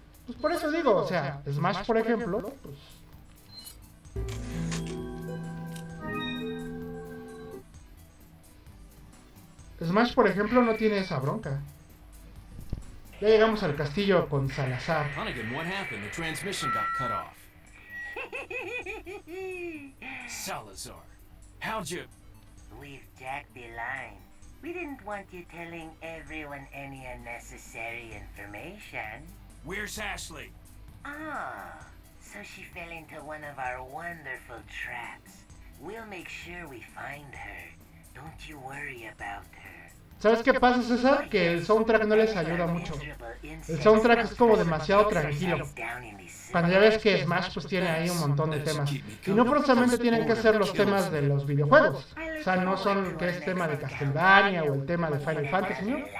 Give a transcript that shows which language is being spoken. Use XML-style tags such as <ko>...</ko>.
<es>Pues por eso digo, o sea, Smash por ejemplo, pues. Smash, por ejemplo, no tiene esa bronca. Ya llegamos al castillo con Salazar.</es> <en>Hunnigan, what happened? The transmission got cut off. Salazar, how'd you... We've tagged the line. We didn't want you telling everyone any unnecessary information. Where's Ashley? Ah, so she fell into one of our wonderful traps. We'll make sure we find her. Don't you worry about her.</en> <es>¿Sabes qué pasa, César? Que el soundtrack no les ayuda mucho. El soundtrack es como demasiado tranquilo. Cuando ya ves que Smash pues tiene ahí un montón de temas. Y no precisamente tienen que ser los temas de los videojuegos. O sea, no son que es tema de Castlevania o el tema de Final Fantasy, ¿no?</es>